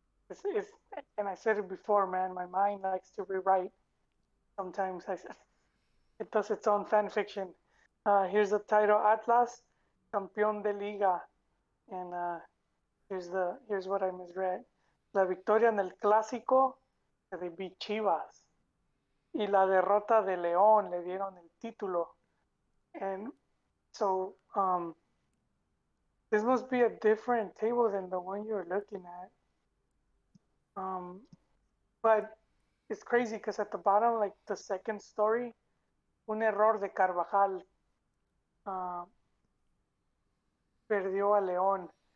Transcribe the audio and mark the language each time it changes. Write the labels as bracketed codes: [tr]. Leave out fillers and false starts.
[en] It's, and I said it before, man, my mind likes to rewrite. Sometimes it does its own fan fiction. Here's the title, Atlas, [es] Campeón de Liga. [en] And here's what I misread. [es] La victoria en el Clásico, de beat Chivas. Y la derrota de León le dieron el título. [en] And so this must be a different table than the one you're looking at. But it's crazy because at the bottom, like the second story, [es] un error de Carvajal perdió a León.